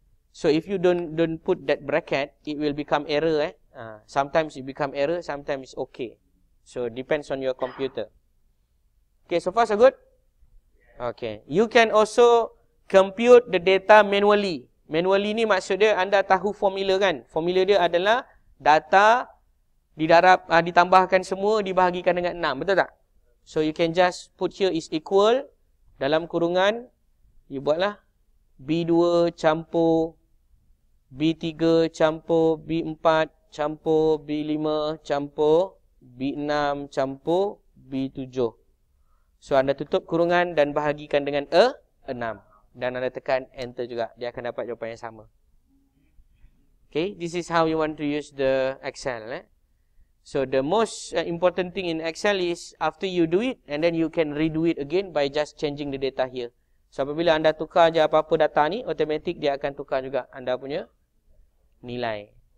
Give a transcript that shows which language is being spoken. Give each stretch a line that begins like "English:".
English: So if you don't put that bracket, it will become error. Sometimes it become error, sometimes it's okay. So depends on your computer. Okay, so far so good. Okay, you can also compute the data manually.
Malay: Manually ni maksud dia anda tahu formula kan? Formula dia adalah data didarab, ditambahkan semua dibahagikan dengan 6, betul tak?
English: So you can just put here is equal
Malay: dalam kurungan, you buatlah B2 campur B3 campur B4 campur B5 campur B6 campur B7. So anda tutup kurungan dan bahagikan dengan 6. Dan anda tekan enter juga. Dia akan dapat jawapan yang sama.
English: Okay, this is how you want to use the Excel. So the most important thing in Excel is after you do it, and then you can redo it again by just changing the data here.
Malay: So apabila anda tukar je apa-apa data ni, automatic dia akan tukar juga anda punya nilai.